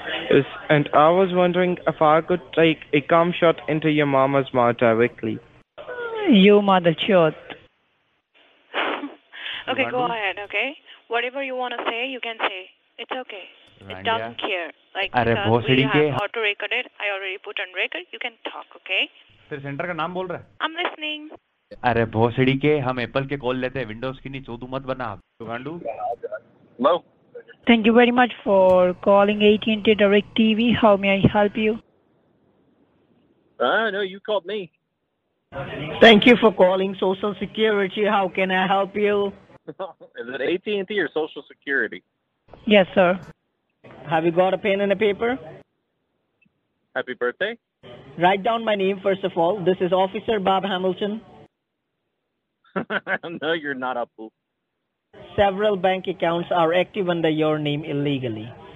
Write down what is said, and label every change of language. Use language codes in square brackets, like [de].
[en] Yes, and I was wondering if I could take a cum shot into your mama's mouth directly. You mother chod. Okay, go ahead, okay? Whatever you want to say, you can say. It's okay. It doesn't care. Like, अरे [hi] भोसड़ी के [en] auto recorded I already put on record you can talk okay [hi] फिर centre का नाम बोल रहा है [en] I am listening [hi] अरे भोसड़ी के हम एप्पल के कॉल लेते हैं विंडोज की नहीं चोदू मत बना गांडू [en] No thank you very much for calling AT&T direct TV how may I help you no you called me thank you for calling social security how can I help you is it AT&T और social security yes sir Have you got a pen and a paper? Happy birthday. Write down my name, first of all. This is Officer Bob Hamilton. No, you're not, Apu. Several bank accounts are active under your name illegally.